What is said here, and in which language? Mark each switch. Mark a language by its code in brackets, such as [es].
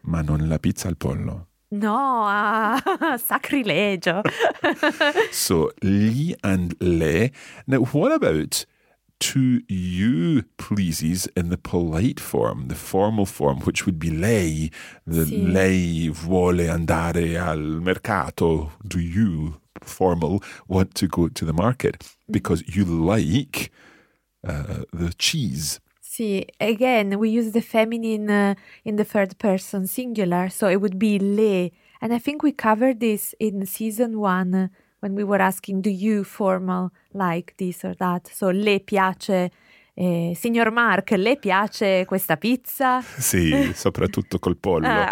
[it] Ma non la pizza al pollo. No, sacrilegio. [en] So, gli and le. Now, what about... To you pleases in the polite form, the formal form, which would be lei. The [it] sì. Lei vuole andare al mercato. [en] Do you, formal, want to go to the market? Because you like the cheese. Sì, again, we use the feminine in the third person singular, so it would be lei. And I think we covered this in season one. When we were asking, do you formal like this or that? [it] So, le piace, signor Mark, le piace questa pizza? Sì, soprattutto col pollo.